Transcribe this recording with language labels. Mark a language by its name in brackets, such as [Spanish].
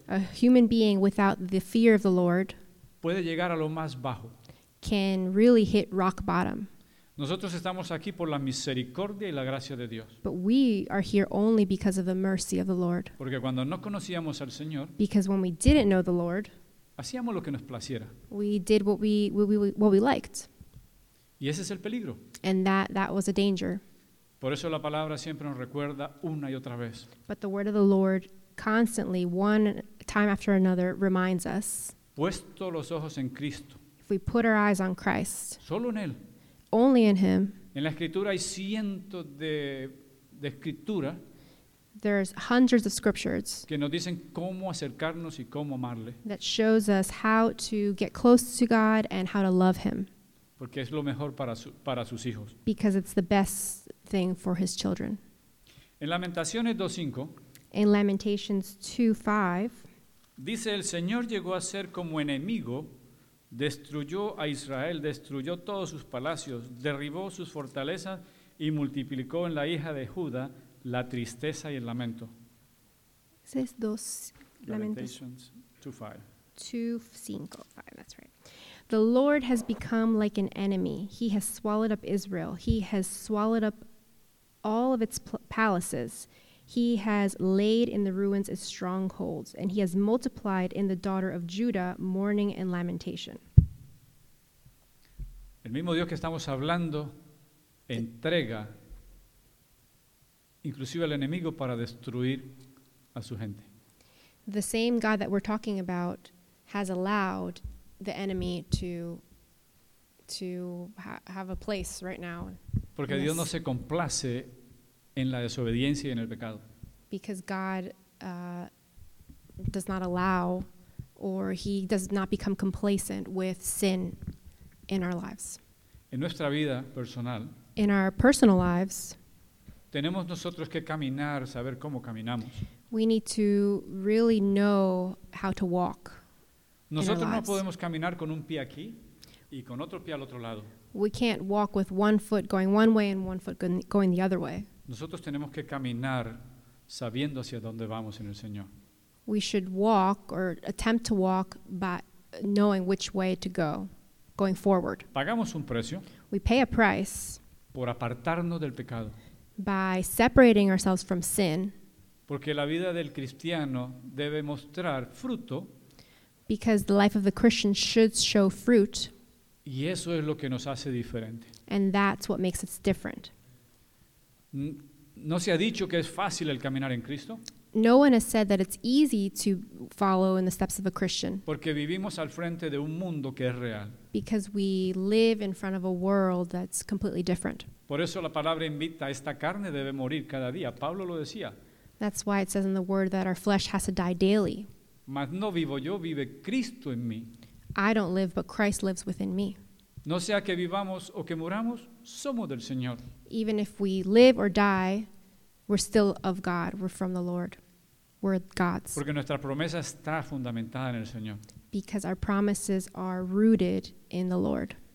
[English] A human being without the fear of the Lord. [Spanish] Puede llegar a lo más bajo. [English] Can really hit rock bottom. [Spanish] Nosotros estamos aquí por la misericordia y la gracia de Dios. [English] But we are here only because of the mercy of the Lord. [Spanish] Porque cuando no conocíamos al Señor, [English] because when we didn't know the Lord, [Spanish] hacíamos lo que nos placiera. [English] We did what we liked. [Spanish] Y ese es el peligro. [English] And that was a danger. [Spanish] Por eso la palabra siempre nos recuerda una y otra vez. [English] But the word of the Lord constantly, one time after another, reminds us. [Spanish] Puesto los ojos en Cristo. [English] If we put our eyes on Christ. [Spanish] Solo en Él. [English] Only in Him. [Spanish] En la escritura hay cientos de escritura. [English] There's hundreds of scriptures. [Spanish] Que nos dicen cómo acercarnos y cómo amarle. [English] That shows us how to get close to God and how to love Him. [Spanish] Porque es lo mejor para sus hijos. [English] Because it's the best thing for His children. [Spanish] En Lamentaciones 2:5. [English] In Lamentations 2:5. [Spanish] Dice el Señor llegó a ser como enemigo. Destruyó a Israel, destruyó todos sus palacios, derribó sus fortalezas y multiplicó en la hija de Judá la tristeza y el lamento. Es dos, [English] Lamentations 2:5. 2:5, that's right. The Lord has become like an enemy. He has swallowed up Israel. He has swallowed up all of its palaces. He has laid in the ruins its strongholds, and he has multiplied in the daughter of Judah mourning and lamentation. [Spanish] El mismo Dios que estamos hablando entrega inclusive al enemigo para destruir a su gente. [English] The same God that we're talking about has allowed the enemy to have a place right now. [Spanish] Porque Dios no se complace en la desobediencia y en el pecado. [English] Because God does not allow, or He does not become complacent with sin in our lives. [Spanish] En nuestra vida personal. [English] In our personal lives. [Spanish] Tenemos nosotros que caminar, saber cómo caminamos. [English] We need to really know how to walk. [Spanish] Nosotros no podemos caminar con un pie aquí y con otro pie al otro lado. [English] We can't walk with one foot going one way and one foot going the other way. [Spanish] Nosotros tenemos que caminar sabiendo hacia dónde vamos en el Señor. [English] We should walk or attempt to walk by knowing which way to go, going forward. [Spanish] Pagamos un precio. [English] We pay a price. [Spanish] Por apartarnos del pecado. [English] By separating ourselves from sin. [Spanish] Porque la vida del cristiano debe mostrar fruto. [English] Because the life of the Christian should show fruit. [Spanish] Y eso es lo que nos hace diferente. [English] And that's what makes us different. [Spanish] No se ha dicho que es fácil el caminar en Cristo. [English] No one has said that it's easy to follow in the steps of a Christian. [Spanish] Porque vivimos al frente de un mundo que es real. [English] Because we live in front of a world that's completely different. [Spanish] Por eso la palabra invita, esta carne debe morir cada día. Pablo lo decía. [English] That's why it says in the word that our flesh has to die daily. [Spanish] Mas no vivo yo, vive Cristo en mí. [English] I don't live, but Christ lives within me. [Spanish] No sea que vivamos o que muramos, somos del Señor. [English] Even if we live or die, we're still of God, we're from the Lord, we're God's. [Spanish] Porque nuestra promesa está fundamentada en el Señor. [English] Because our promises are rooted in the Lord.